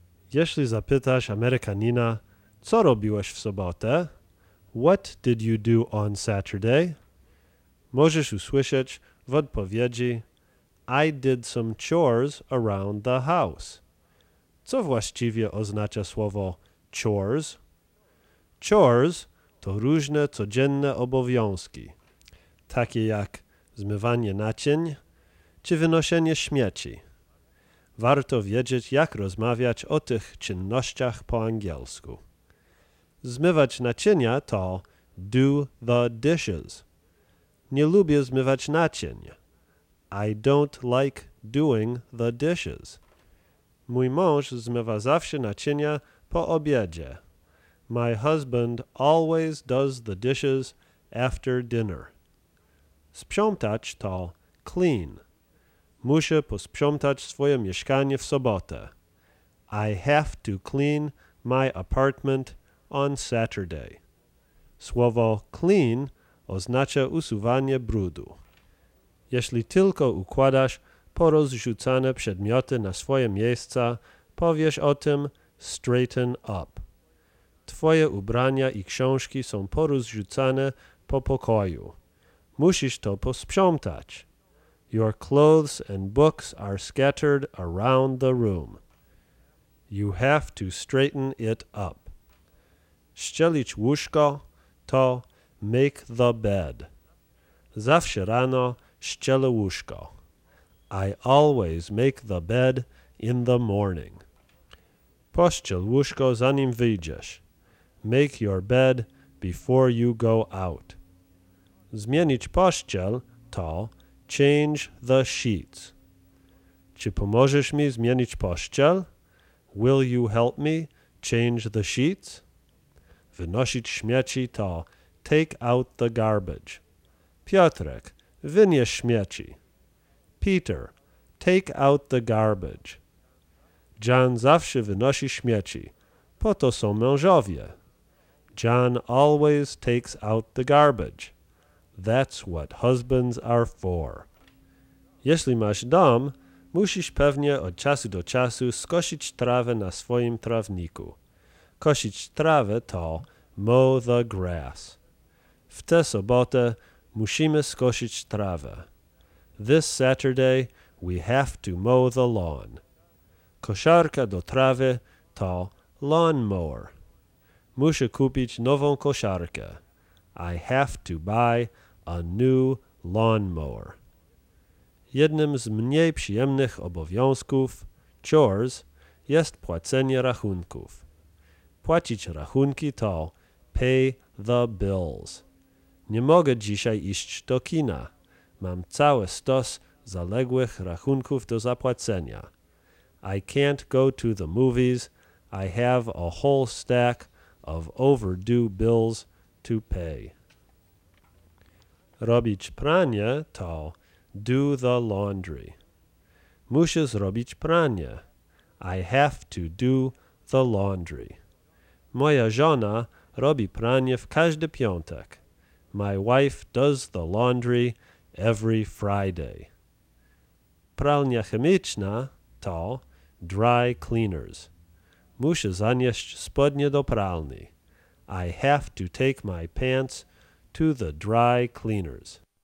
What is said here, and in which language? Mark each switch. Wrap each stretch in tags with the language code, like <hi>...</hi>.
<pl>Jeśli zapytasz Amerykanina, co robiłeś w sobotę?</pl> <en>What did you do on Saturday?</en> <pl>Możesz usłyszeć w odpowiedzi,</pl> <en>I did some chores around the house.</en> <pl>Co właściwie oznacza słowo chores? Chores to różne codzienne obowiązki, takie jak zmywanie naczyń czy wynoszenie śmieci. Warto wiedzieć, jak rozmawiać o tych czynnościach po angielsku. Zmywać naczynia to</pl> <en>do the dishes.</en> <pl>Nie lubię zmywać naczyń.</pl> <en>I don't like doing the dishes.</en> <pl>Mój mąż zmywa zawsze naczynia po obiedzie.</pl> <en>My husband always does the dishes after dinner.</en> <pl>Sprzątać to clean. Muszę posprzątać swoje mieszkanie w sobotę.</pl> <en>I have to clean my apartment on Saturday.</en> <pl>Słowo clean oznacza usuwanie brudu. Jeśli tylko układasz porozrzucane przedmioty na swoje miejsca, powiesz o tym</pl> <en>straighten up.</en> <pl>Twoje ubrania i książki są porozrzucane po pokoju. Musisz to posprzątać.</pl> <en>Your clothes and books are scattered around the room. You have to straighten it up.</en> <pl>Ścielić łóżko to</pl> <en>make the bed.</en> <pl>Zawsze rano ścielę łóżko.</pl> <en>I always make the bed in the morning.</en> <pl>Pościel łóżko zanim wyjdziesz.</pl> <en>Make your bed before you go out.</en> <pl>Zmienić pościel to</pl> <en>change the sheets.</en> <pl>Czy pomożesz mi zmienić pościel?</pl> <en>Will you help me change the sheets?</en> <pl>Wynosić śmieci to</pl> <en>take out the garbage.</en> <pl>Piotrek, wynieś śmieci.</pl> <en>Peter, take out the garbage.</en> <pl>John zawsze wynosi śmieci. Po to są mężowie.</pl> <en>John always takes out the garbage. That's what husbands are for.</en> <pl>Jeśli masz dom, musisz pewnie od czasu do czasu skosić trawę na swoim trawniku. Kosić trawę to</pl> <en>mow the grass.</en> <pl>W tę sobotę musimy skosić trawę.</pl> <en>This Saturday we have to mow the lawn.</en> <pl>Koszarka do trawy to lawnmower. Muszę kupić nową koszarkę.</pl> <en>I have to buy a new lawnmower.</en> <pl>Jednym z mniej przyjemnych obowiązków, chores, jest płacenie rachunków. Płacić rachunki to</pl> <en>pay the bills.</en> <pl>Nie mogę dzisiaj iść do kina. Mam cały stos zaległych rachunków do zapłacenia.</pl> <en>I can't go to the movies. I have a whole stack of overdue bills to pay.</en> <pl>Robić pranie to</pl> <en>do the laundry.</en> <pl>Muszę zrobić pranie.</pl> <en>I have to do the laundry.</en> <pl>Moja żona robi pranie w każdy piątek.</pl> <en>My wife does the laundry every Friday.</en> <pl>Pralnia chemiczna to dry cleaners. Muszę zanieść spodnie do pralni.</pl> <en>I have to take my pants to the dry cleaners.</en>